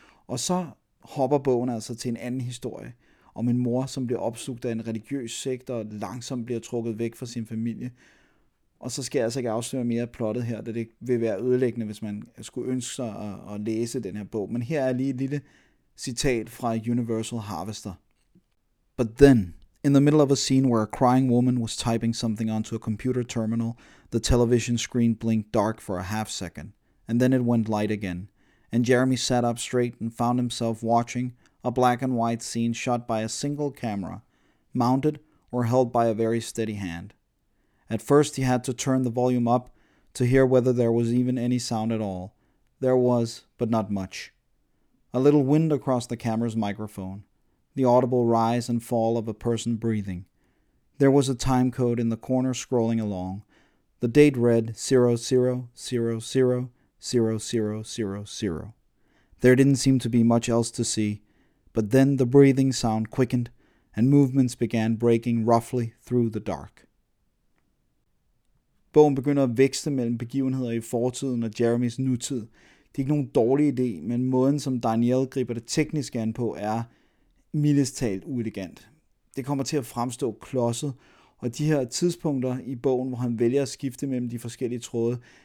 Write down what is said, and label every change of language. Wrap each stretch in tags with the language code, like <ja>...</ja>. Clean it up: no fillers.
<da>Og så hopper bogen altså til en anden historie om en mor, som bliver opslugt af en religiøs sekt og langsomt bliver trukket væk fra sin familie. Og så skal jeg altså ikke afsløre mere af plottet her, da det vil være ødelæggende, hvis man skulle ønske sig at læse den her bog. Men her er lige et lille citat fra Universal Harvester.</da> <en>But then, in the middle of a scene where a crying woman was typing something onto a computer terminal, the television screen blinked dark for a half second, and then it went light again, and Jeremy sat up straight and found himself watching a black and white scene shot by a single camera, mounted or held by a very steady hand. At first he had to turn the volume up to hear whether there was even any sound at all. There was, but not much. A little wind across the camera's microphone, the audible rise and fall of a person breathing. There was a time code in the corner scrolling along. The date read 00000000. There didn't seem to be much else to see, but then the breathing sound quickened and movements began breaking roughly through the dark.</en> <da>Bogen begynder at vækste mellem begivenheder i fortiden og Jeremys nutid. Det er ikke nogen dårlig idé, men måden som Darnielle griber det teknisk an på er mildest talt uelegant. Det kommer til at fremstå klodset, og de her tidspunkter i bogen, hvor han vælger at skifte mellem de forskellige tråde,</da>